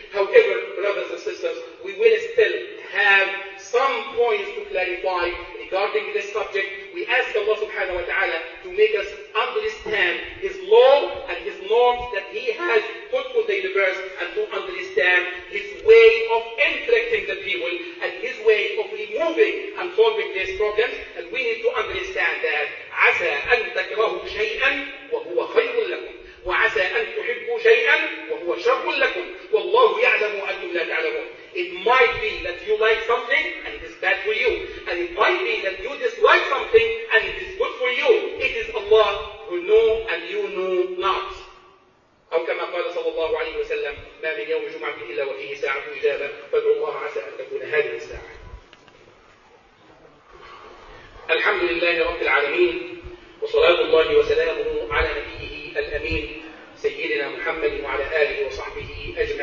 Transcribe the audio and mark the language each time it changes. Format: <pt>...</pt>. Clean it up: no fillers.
<en>However, brothers and sisters, we will still have some points to clarify regarding this subject. We ask Allah subhanahu wa ta'ala to make us understand His law and His norms that He has put for the universe, and to understand His way of inflicting the people and His way of removing and solving these problems. And we need to understand that</en> <ar>عَسَىٰ أَن تَكْرَهُ شَيْئًا وَهُوَ خَيْرٌ لَكُمْ وَعَسَىٰ أَن تُحِبُّوا شَيْئًا وَهُوَ شَرٌّ لَكُمْ وَاللَّهُ يَعْلَمُ أَنْتُمْ لَا تَعْلَمُونَ.</ar> <en>It might be that you like something and it is bad for you. And it might be that you dislike something and it is good for you. It is Allah who know and you know not.</en> <ar>أو كما قال صلى الله عليه وسلم ما من يوم جمعة إلا وفيه ساعة إجابة فادعوا الله عسى أن تكون هذه الساعة. الحمد لله رب العالمين وصلاة الله وسلامه على نبيه الأمين سيدنا محمد وعلى آله وصحبه</ar>